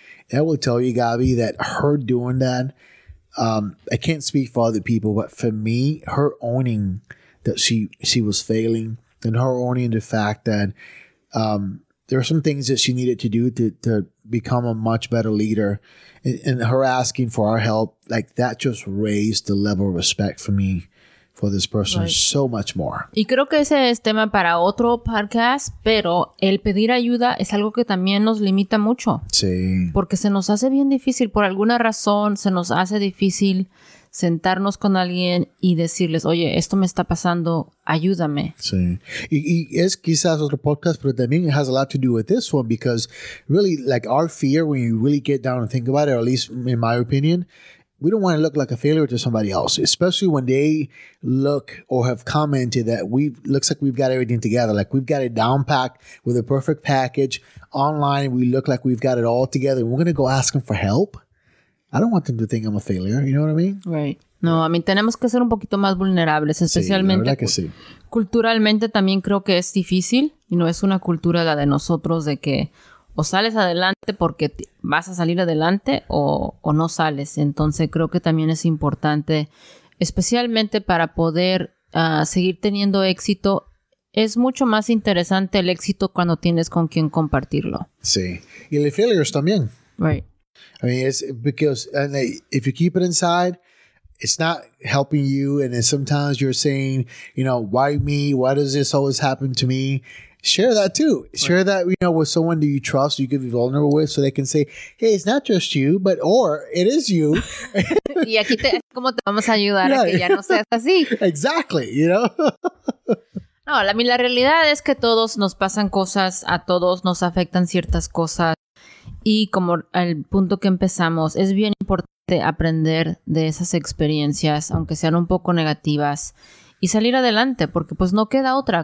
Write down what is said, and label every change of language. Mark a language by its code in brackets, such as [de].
[en] And I will tell you, Gabby, that her doing that, I can't speak for other people, but for me, her owning that she was failing and her owning the fact that there are some things that she needed to do to become a much better leader. And her asking for our help, like, that just raised the level of respect for me. For this person, right. So much more. [es] Y creo que ese es tema para otro podcast, pero el pedir ayuda es algo que también nos limita mucho. Sí. Porque se nos hace bien difícil, por alguna razón, se nos hace difícil sentarnos con alguien y decirles, oye, esto me está pasando, ayúdame. Sí. Y es quizás otro podcast, pero también [en] it has a lot to do with this one, because really, like, our fear, when you really get down and think about it, or at least in my opinion, we don't want to look like a failure to somebody else, especially when they look or have commented that we looks like we've got everything together, like we've got it down packed with a perfect package online. We look like we've got it all together. We're going to go ask them for help. I don't want them to think I'm a failure. You know what I mean? Right. [es] No, [en] I mean, [es] tenemos que ser un poquito más vulnerables, especialmente sí, la verdad que sí. Culturalmente también creo que es difícil y no es una cultura la de nosotros de que o sales adelante porque vas a salir adelante o no sales. Entonces creo que también es importante, especialmente para poder seguir teniendo éxito. Es mucho más interesante el éxito cuando tienes con quien compartirlo. Sí. Y el failures también. [en] Right. I mean, it's because and if you keep it inside, it's not helping you. And then sometimes you're saying, you know, why me? Why does this always happen to me? Share that too. Share that, you know, with someone that you trust, you could be vulnerable with, so they can say, hey, it's not just you, but, or it is you. [es] Y aquí te, ¿cómo te vamos a ayudar a que ya no seas así? [en] Exactly, you know. [es] No, la realidad es que todos nos pasan cosas, a todos nos afectan ciertas cosas. Y como el punto que empezamos, es bien importante aprender de esas experiencias, aunque sean un poco negativas, y salir adelante, porque pues no queda otra.